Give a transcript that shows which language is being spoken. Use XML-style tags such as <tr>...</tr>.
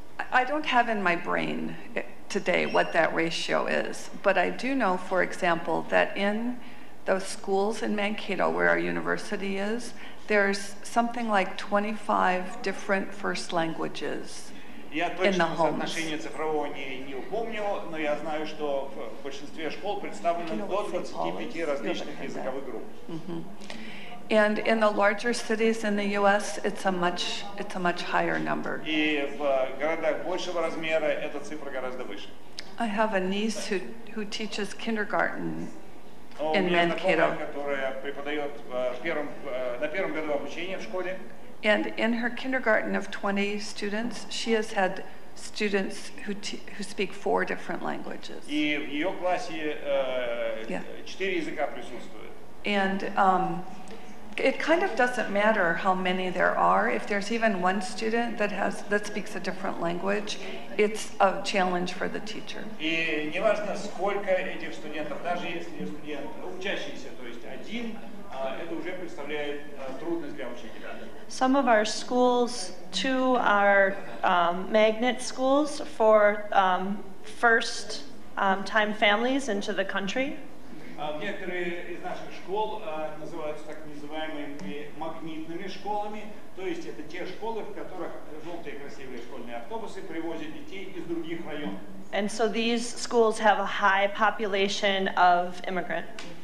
<en>I don't have in my brain today what that ratio is, but I do know, for example, that in those schools in Mankato, where our university is, there's something like 25 different first languages in the homes.</en> <ru>Я точно соотношение цифрового не упомню, но я знаю, что в большинстве школ представлено до 25 различных языковых групп.</ru> <en>And in the larger cities in the U.S., it's a much higher number.</en> <ru>И в городах большего размера эта цифра гораздо выше.</ru> <en>I have a niece who teaches kindergarten in Mankato.</en> <ru>Которая преподает на первом году обучения в школе.</ru> <en>And in her kindergarten of 20 students, she has had students who speak four different languages.</en> <ru>И в ее классе четыре языка присутствуют.</ru> <en>And it kind of doesn't matter how many there are. If there's even one student that has that speaks a different language, it's a challenge for the teacher.</en> <ru>И неважно сколько этих студентов, даже если студент учащийся, то есть один, это уже представляет трудность для учителя.</ru> <en>Some of our schools too are magnet schools for first time families into the country.</en> <ru>Некоторые из наших школ называются так называемыми магнитными школами, то есть это те школы, в которых желтые красивые школьные автобусы привозят детей из других районов.</ru> <en>And so these schools have a high population of immigrants.</en>